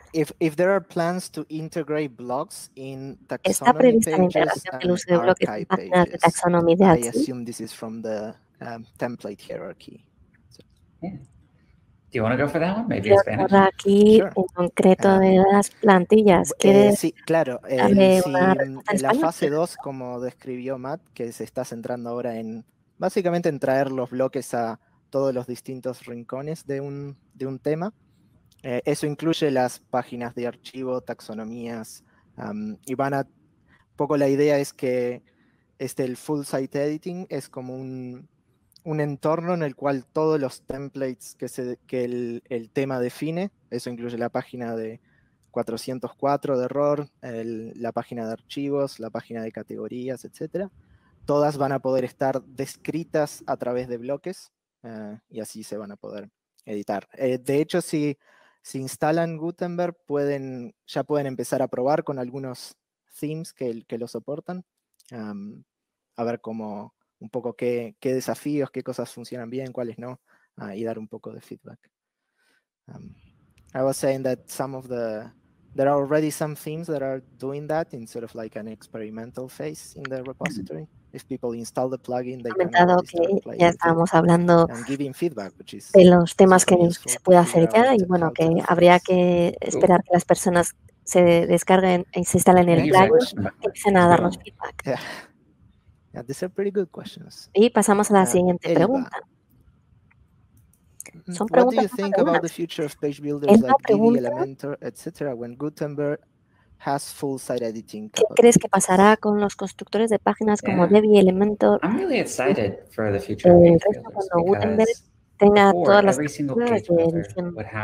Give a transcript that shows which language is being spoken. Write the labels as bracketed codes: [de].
[en] if there are plans to integrate blogs in taxonomy. [es] ¿Está prevista la integración del uso de bloques en páginas de taxonomía de Etsy? [en] I assume this is from the template hierarchy. Do you want to go for that one? Maybe in Spanish. [es] Aquí [en] sure. [es] En concreto de las plantillas. Sí, claro. La fase 2, como describió Matt, que se está centrando ahora en básicamente en traer los bloques a todos los distintos rincones de un tema. Eso incluye las páginas de archivo, taxonomías, y van a, poco la idea es que el full site editing es como un entorno en el cual todos los templates que el tema define, eso incluye la página de 404 de error, la página de archivos, la página de categorías, etc. Todas van a poder estar descritas a través de bloques, y así se van a poder editar. De hecho, si instalan Gutenberg, ya pueden empezar a probar con algunos themes que lo soportan. A ver cómo, un poco qué desafíos, qué cosas funcionan bien, cuáles no, y dar un poco de feedback. [en] I was saying that there are already some themes that are doing that in sort of like an experimental phase in the repository. If people install the plugin, they can start playing. [es] Ya estábamos hablando de los temas que se puede hacer ya y bueno, que habría que esperar que las personas se descarguen y se instalen el plugin y empiecen a darnos feedback. [en] These are pretty good questions. [es] Y pasamos a la siguiente pregunta. Son preguntas. [en] What do you think about the future of page builders like Divi, Elementor, etc. when Gutenberg has full site editing? [es] ¿Qué crees que pasará con los constructores de páginas como Divi, Elementor? [en] I'm really excited for the future of page builders [es] cuando Gutenberg tenga todas las páginas de edición.